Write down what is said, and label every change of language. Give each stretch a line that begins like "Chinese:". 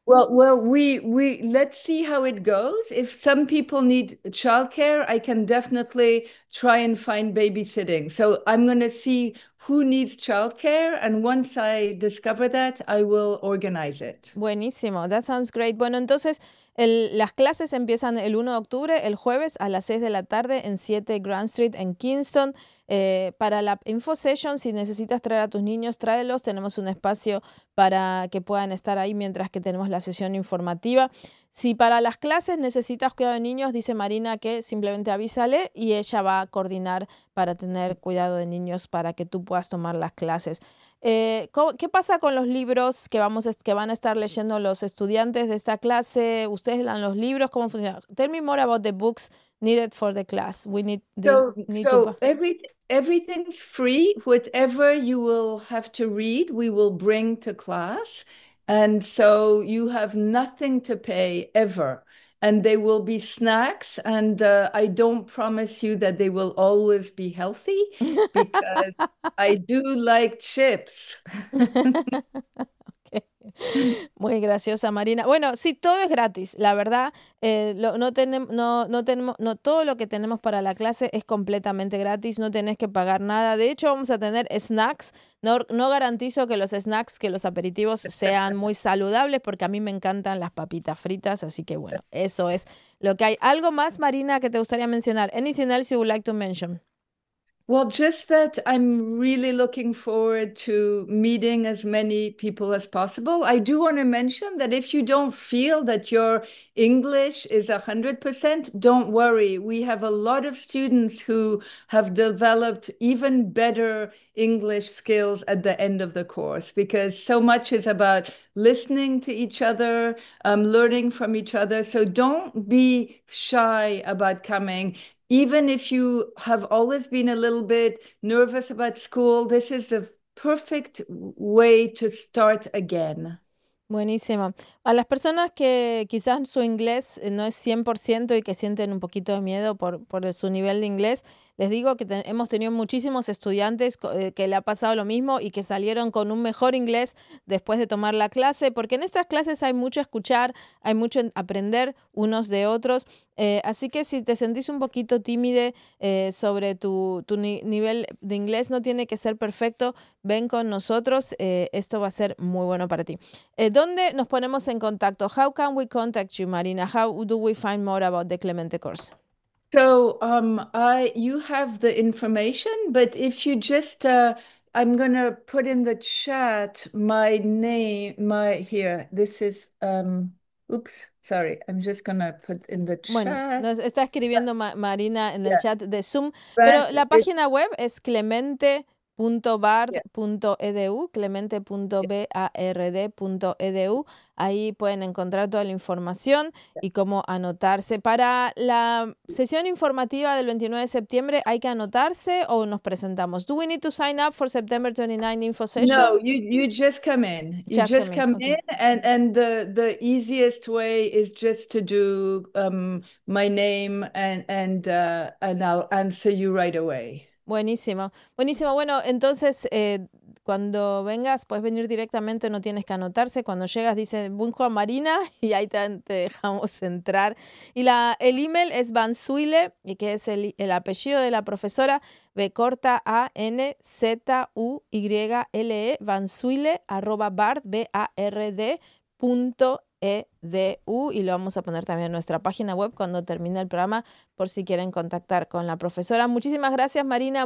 English: well, we let's see how it goes. If some people need childcare, I can definitely try and find babysitting. So I'm going to see who needs childcare, and once I discover that, I will organize it.
Spanish: Buenísimo,
English: that sounds great.
Spanish: Bueno, entonces las clases empiezan el 1 de octubre, el jueves a las 6 de la tarde en 7 Grand Street en Kingston. Para la info session, si necesitas traer a tus niños, tráelos. Tenemos un espacio para que puedan estar ahí mientras que tenemos la sesión informativa. Si para las clases necesitas cuidado de niños, dice Marina que simplemente avísale y ella va a coordinar para tener cuidado de niños para que tú puedas tomar las clases. ¿Qué pasa con los libros que van a estar leyendo los estudiantes de esta clase? ¿Ustedes dan los libros? ¿Cómo funciona?
English: Tell me more about the books needed for the class. We need the So need to. everything's free. Whatever you will have to read, we will bring to class. And so you have nothing to pay ever. And they will be snacks. And I don't promise you that they will always be healthy because I do like chips.
Spanish: Muy graciosa, Marina. Bueno, sí, todo es gratis, la verdad. No tenemos, no tenemos, no todo lo que tenemos para la clase es completamente gratis, no tenés que pagar nada. De hecho, vamos a tener snacks. No garantizo que los snacks, que los aperitivos sean muy saludables, porque a mí me encantan las papitas fritas, así que bueno, eso es lo que hay. ¿Algo más, Marina, que te gustaría mencionar?
English: Anything else you would like to mention? Well, just that I'm really looking forward to meeting as many people as possible. I do want to mention that if you don't feel that your English is 100%, don't worry. We have a lot of students who have developed even better English skills at the end of the course because so much is about listening to each other, learning from each other. So don't be shy about coming. Even if you have always been a little bit nervous about school, this is a perfect way to start again.
Spanish: Buenísimo. A las personas que quizás su inglés no es 100% y que sienten un poquito de miedo por su nivel de inglés, les digo que hemos tenido muchísimos estudiantes que le ha pasado lo mismo y que salieron con un mejor inglés después de tomar la clase, porque en estas clases hay mucho escuchar, hay mucho aprender unos de otros. Así que si te sentís un poquito tímide sobre tu nivel de inglés, no tiene que ser perfecto, ven con nosotros, esto va a ser muy bueno para ti. ¿Dónde nos ponemos en contacto?
English: How can we contact you,
Spanish: Marina?
English: How do we find more about the Clemente course? So you have the information, but if you just I'm gonna put in the chat my name, my here. This is oops, sorry, I'm just gonna put in the
Spanish: Bueno,
English: chat.
Spanish: nos está escribiendo Ma Marina en el chat de Zoom, pero la
English: It's
Spanish: página web es clemente.bard.edu, clemente.bard.edu. Ahí pueden encontrar toda la información y cómo anotarse. Para la sesión informativa del 29 de septiembre, ¿hay que anotarse o nos presentamos?
English: Do we need to sign up for September 29 info session? No, you just come in. You Just just come in. come in, Okay. and the easiest way is just to do my name and I'll answer you right away.
Spanish: Buenísimo, buenísimo. Bueno, entonces cuando vengas puedes venir directamente, no tienes que anotarse. Cuando llegas dice Bunjo a Marina y ahí te dejamos entrar. Y el email es Banzuile, y que es el apellido de la profesora, B corta Anzuile, Banzuile@bard, bard.edu, y lo vamos a poner también en nuestra página web cuando termine el programa por si quieren contactar con la profesora. Muchísimas gracias, Marina.